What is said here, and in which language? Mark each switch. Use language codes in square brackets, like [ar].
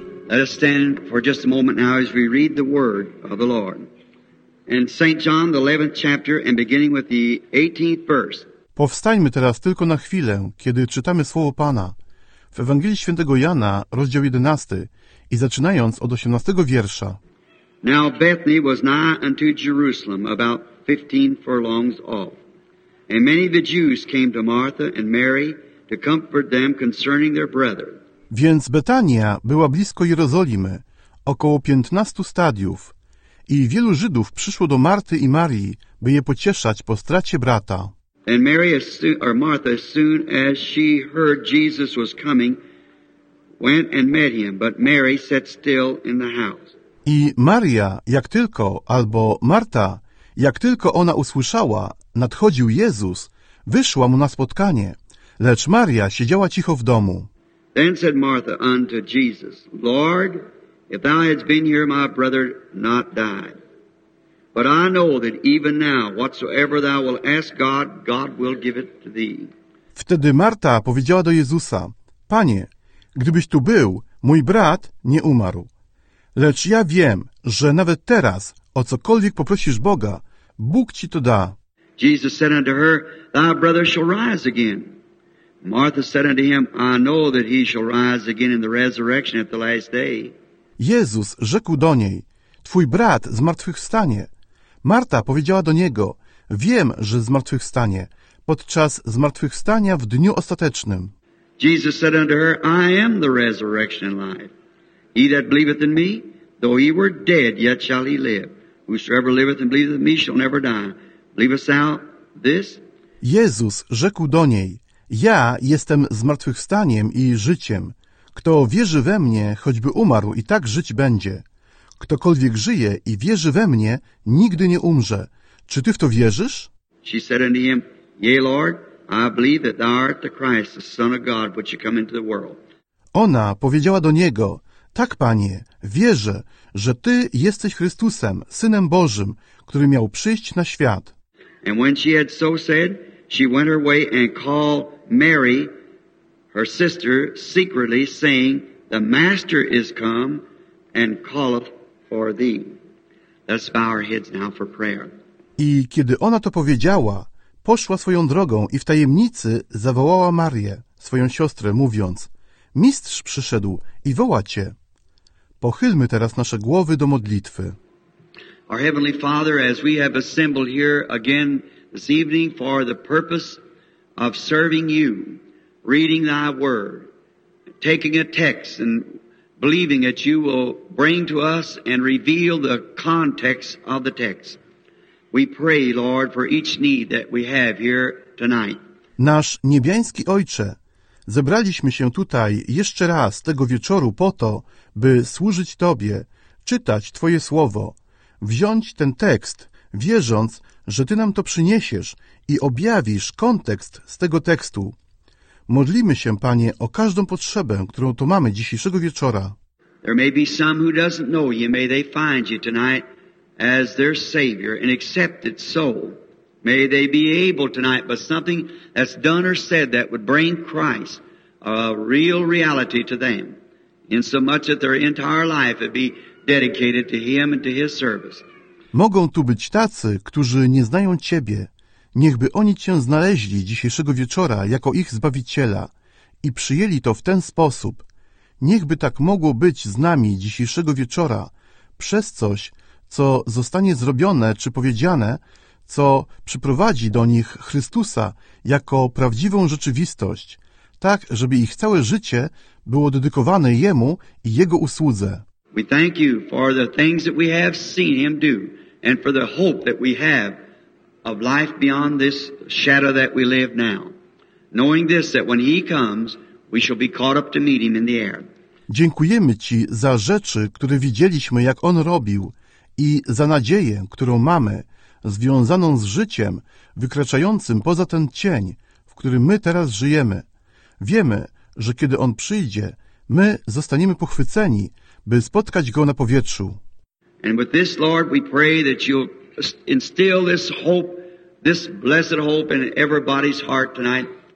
[en] Let us stand for just a moment now as we read the word of the Lord. In St. John, the 11th chapter, and beginning with the 18th verse. [pl] Powstańmy teraz tylko na chwilę, kiedy czytamy Słowo Pana. W Ewangelii Świętego Jana, rozdział 11, i zaczynając od 18 wiersza. [en] Now Bethany was nigh unto Jerusalem, about 15 furlongs off. And many of the Jews came to Martha and Mary to comfort them concerning their brethren. [pl] Więc Betania była blisko Jerozolimy, około 15 stadiów, i wielu Żydów przyszło do Marty i Marii, by je pocieszać po stracie brata. [en] And Mary, or Martha, as soon as she heard Jesus was coming, went and met him, but Mary sat still in the house. [pl] I Maria, jak tylko, albo Marta, jak tylko ona usłyszała, nadchodził Jezus, wyszła mu na spotkanie, lecz Maria siedziała cicho w domu. [en] Then said Martha unto Jesus, Lord, if thou hadst been here, my brother not died. But I know that even now, whatsoever thou wilt ask God, God will give it to thee. [pl] Wtedy Marta powiedziała do Jezusa, Panie, gdybyś tu był, mój brat nie umarł. Lecz ja wiem, że nawet teraz, o cokolwiek poprosisz Boga, Bóg ci to da. [en] Jesus said unto her, thy brother shall rise again. Martha said unto him, I know that he shall rise again in the resurrection at the last day. [pl] Jezus rzekł do niej, Twój brat zmartwychwstanie. Marta powiedziała do niego, Wiem, że zmartwychwstanie, podczas zmartwychwstania w dniu ostatecznym. [en] Jesus said unto her, I am the resurrection and life. He that believeth in me, though he were dead, yet shall he live. Whosoever liveth and believeth in me shall never die. Believest thou this? [pl] Jezus rzekł do niej, Ja jestem zmartwychwstaniem i życiem. Kto wierzy we mnie, choćby umarł, i tak żyć będzie. Ktokolwiek żyje i wierzy we mnie, nigdy nie umrze. Czy ty w to wierzysz? [en] She said unto him, Yea, Lord, I believe that thou art the Christ, the Son of God, which you come into the world. [pl] Ona powiedziała do niego, Tak, Panie, wierzę, że ty jesteś Chrystusem, Synem Bożym, który miał przyjść na świat. [en] And when she had so said, she went her way and called Mary, her sister, secretly, saying, The Master is come and calleth for thee. Let's bow our heads now for prayer. [pl] I kiedy ona to powiedziała, poszła swoją drogą i w tajemnicy zawołała Marię, swoją siostrę, mówiąc, Mistrz przyszedł i woła cię. Pochylmy teraz nasze głowy do modlitwy. [en] Our Heavenly Father, as we have assembled here again this evening for the purpose of serving you, reading thy word, taking a text and believing that you will bring to us and reveal the context of the text. We pray, Lord, for each need that we have here tonight. [pl] Nasz niebiański Ojcze, zebraliśmy się tutaj jeszcze raz tego wieczoru po to, by służyć Tobie, czytać Twoje słowo, wziąć ten tekst, wierząc, że Ty nam to przyniesiesz i objawisz kontekst z tego tekstu. Modlimy się, Panie, o każdą potrzebę, którą tu mamy dzisiejszego wieczora. [en] There may be some who doesn't know you. May they find you tonight as their Savior and accept it so. May they be able tonight, but something that's done or said that would bring Christ a real reality to them, in so much that their entire life would be dedicated to Him and to His service. [pl] Mogą tu być tacy, którzy nie znają Ciebie. Niechby oni Cię znaleźli dzisiejszego wieczora jako ich Zbawiciela i przyjęli to w ten sposób. Niechby tak mogło być z nami dzisiejszego wieczora przez coś, co zostanie zrobione czy powiedziane, co przyprowadzi do nich Chrystusa jako prawdziwą rzeczywistość, tak, żeby ich całe życie było dedykowane Jemu i Jego usłudze. [en] We thank you for the things that we have seen Him do and for the hope that we have of life beyond this shadow that we live now. Knowing this, that when He comes, we shall be caught up to meet Him in the air. [pl] Dziękujemy Ci za rzeczy, które widzieliśmy, jak On robił, i za nadzieję, którą mamy, związaną z życiem wykraczającym poza ten cień, w którym my teraz żyjemy. Wiemy, że kiedy On przyjdzie, my zostaniemy pochwyceni, by spotkać Go na powietrzu. [en] And with this, Lord, we pray that you'll instill this hope, this blessed hope in everybody's heart tonight.